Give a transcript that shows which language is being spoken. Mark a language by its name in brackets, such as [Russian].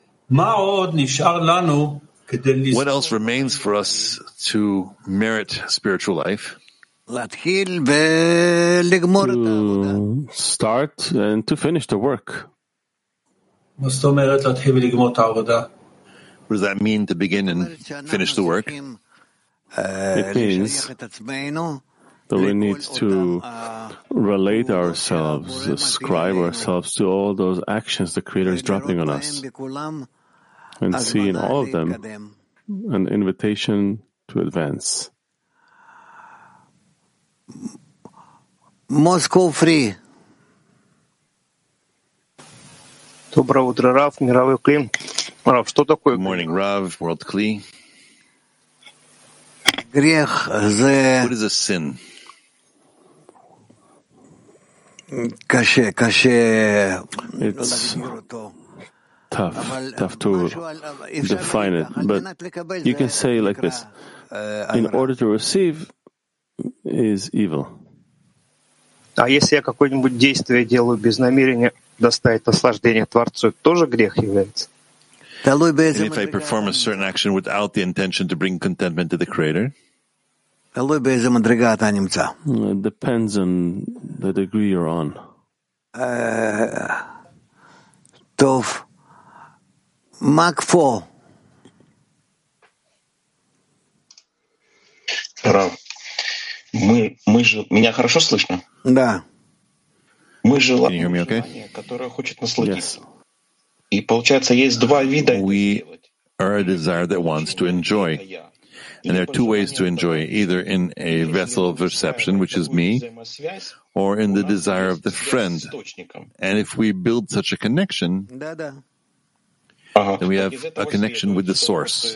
[Hebrew] מה עוד נשאר לנו כדי לזכור? [English] What else remains for us to merit spiritual life? [Hebrew] להתחיל ולגמור את העבודה. [English] To start and to finish the work. [Hebrew] מה זאת אומרת להתחיל ולגמור את העבודה? [English] What does that mean, to begin and finish the work? It means that we need to relate ourselves, ascribe ourselves to all those actions the Creator is dropping on us, and see in all of them an invitation to advance. Moscow free. [Russian] Доброе утро, Рав, мировой Кли. Рав, что такое? [English] Good morning, Rav, World Kli. [Russian] Грех за. [English] What is a sin? [Hebrew] Каше, каше. [English] It's tough, tough to define it, but you can say like this: in order to receive is evil. [Russian] А если я какое-нибудь действие делаю без намерения доставить наслаждение Творцу, тоже грех является? [English] And if I perform a certain action without the intention to bring contentment to the Creator? It depends on the degree you're on. [Hebrew] Tov. Makfo. [Russian] Rav. Меня хорошо слышно? Да. Мы желаем желание, okay? Которое хочет насладиться. [English] Yes. [Russian] И получается, есть два вида. [English] We are a desire that wants to enjoy. And there are two ways to enjoy, either in a vessel of reception, which is me, or in the desire of the friend. And if we build such a connection, then we have a connection with the source.